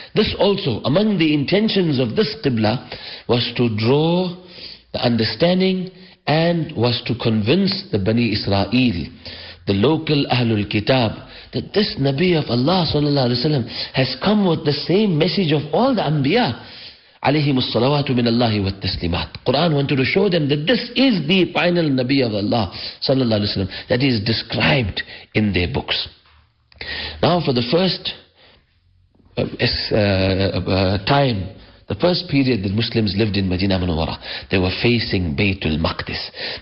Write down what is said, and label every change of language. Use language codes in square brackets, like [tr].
[en] This also, among the intentions of this Qibla, was to draw the understanding and was to convince the Bani Israel, the local Ahlul Kitab, that this Nabi of Allah sallallahu alayhi wa sallam has come with the same message of all the Anbiya. [ar] عليهم الصلوات من الله والتسليمات. [en] Quran wanted to show them that this is the final Nabi of Allah sallallahu alaihi wasallam that is described in their books. Now for the first time, the first period that Muslims lived in Madinah Munawwara, they were facing Baytul Maqdis.